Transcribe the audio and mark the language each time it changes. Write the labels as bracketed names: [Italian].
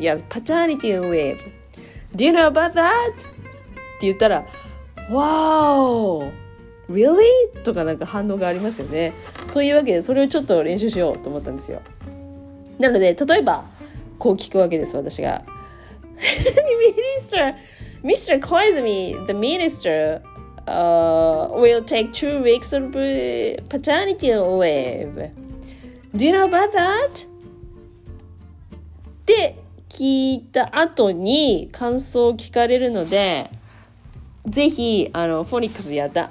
[English] Yes, paternity leave. Do you know about that? [Japanese] って言ったら、 [English] Wow! Really? [Japanese] とかなんか反応がありますよね。というわけでそれをちょっと練習しようと思ったんですよ。なので例えばこう聞くわけです、私が。 [English] Minister, Mr. Koizumi, the minister, will take 2 weeks of paternity leave. Do you know about that? [Japanese] で、聞いた後に感想を聞かれるので、ぜひ、フォニックスやった。